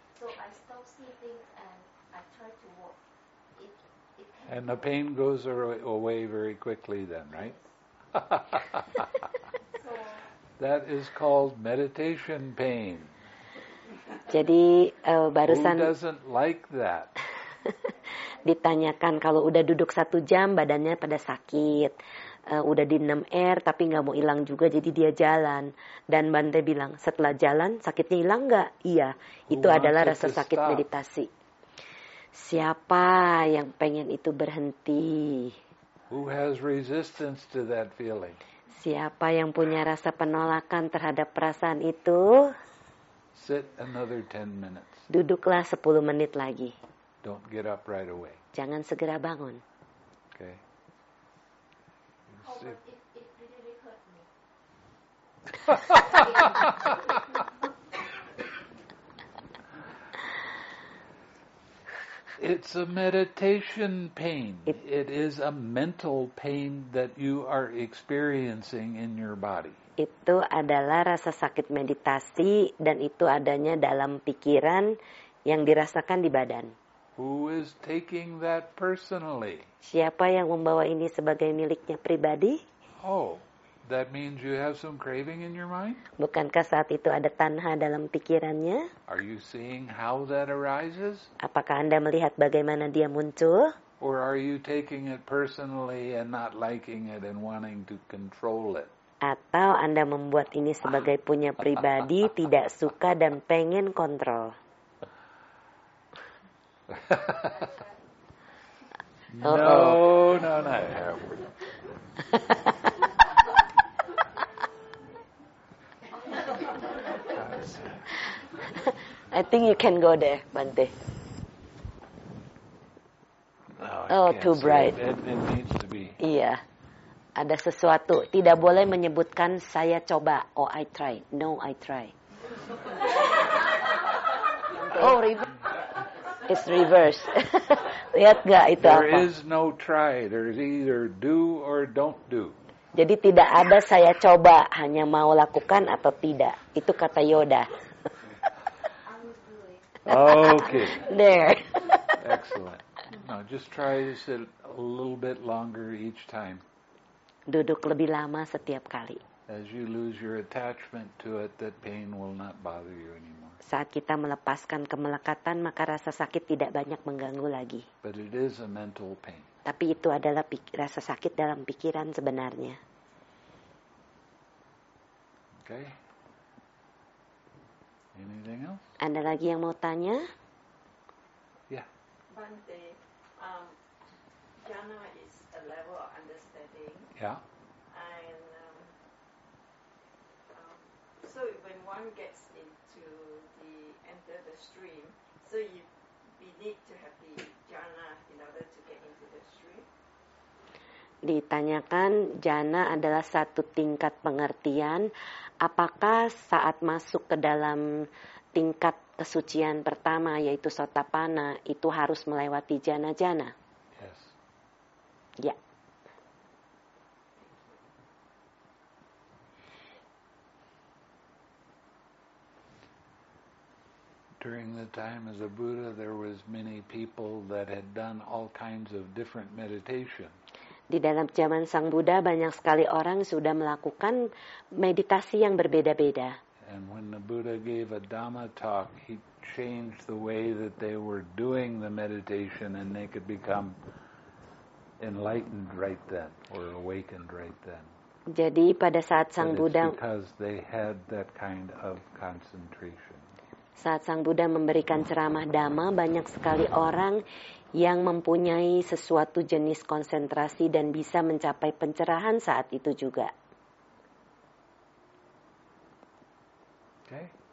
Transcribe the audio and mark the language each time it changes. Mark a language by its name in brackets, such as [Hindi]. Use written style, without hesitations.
[English] So I stop sitting and I try to walk. And the pain goes away very quickly then, right? That is called meditation pain. [Indonesian] Jadi barusan. [English] Who doesn't like that? [Indonesian] Ditanyakan kalau udah duduk 1 jam badannya pada sakit, udah di 6R tapi nggak mau hilang juga, jadi dia jalan. Dan Bante bilang setelah jalan sakitnya hilang nggak? Iya, itu adalah rasa sakit meditasi. Siapa yang pengen itu berhenti? [English] Who has resistance to that feeling? [Indonesian] Siapa yang punya rasa penolakan terhadap perasaan itu? [English] Sit another 10 minutes. [Indonesian] Duduklah 10 menit lagi. [English] Don't get up right away. [Indonesian] Jangan segera bangun. [English] Okay. Sit. It's a meditation pain. It is a mental pain that you are experiencing in your body. [Indonesian] Itu adalah rasa sakit meditasi dan itu adanya dalam pikiran yang dirasakan di badan. [English] Who is taking that personally? [Indonesian] Siapa yang membawa ini sebagai miliknya pribadi? [English] Oh, that means you have some craving in your mind? [Indonesian] Bukankah saat itu ada tanha dalam pikirannya? [English] Are you seeing how that arises? [Indonesian] Apakah Anda melihat bagaimana dia muncul? [English] Or are you taking it personally and not liking it and wanting to control it? [Indonesian] Atau Anda membuat ini sebagai punya pribadi, tidak suka dan pengen kontrol? [English] No, I have. I think you can go there, Bante. No, oh, too bright. It needs to be. [Indonesian] Iya. Ada sesuatu. Tidak boleh menyebutkan saya coba. [English] Oh, I try. No, I try. Oh, reverse. It's reverse. [Indonesian] Lihat gak itu [English] there [Indonesian] apa? [English] There is no try. There is either do or don't do. [Indonesian] Jadi tidak ada saya coba. Hanya mau lakukan atau tidak. Itu kata Yoda. [English] Okay. There. Excellent. Now just try to sit a little bit longer each time. [Indonesian] Duduk lebih lama setiap kali. [English] As you lose your attachment to it, that pain will not bother you anymore. [Indonesian] Saat kita melepaskan kemelekatan, maka rasa sakit tidak banyak mengganggu lagi. [English] But it is a mental pain. [Indonesian] Tapi itu adalah rasa sakit dalam pikiran sebenarnya. [English] Okay. Anything else? [Indonesian] Ada lagi yang mau tanya? [English] Yeah. Bante, jhana is a level of understanding. Yeah. And so when one gets into the enter the stream, so you need to have the jhana in order to get into the stream. [Indonesian] Ditanyakan jhana adalah satu tingkat pengertian. Apakah saat masuk ke dalam tingkat kesucian pertama yaitu sotapana itu harus melewati jhana-jhana? [English] Yes. [Indonesian] Ya. [English] During the time as a Buddha, there was many people that had done all kinds of different meditation. [Indonesian] Di dalam zaman Sang Buddha, banyak sekali orang sudah melakukan meditasi yang berbeda-beda. [English] And when the Buddha gave a Dhamma talk, he changed the way that they were doing the meditation and they could become enlightened right then or awakened right then. [Indonesian] Jadi pada saat Sang Buddha, [English] because they had that kind of concentration. [Indonesian] Saat Sang Buddha memberikan ceramah Dhamma, banyak sekali orang yang mempunyai sesuatu jenis konsentrasi dan bisa mencapai pencerahan saat itu juga. [English] Okay.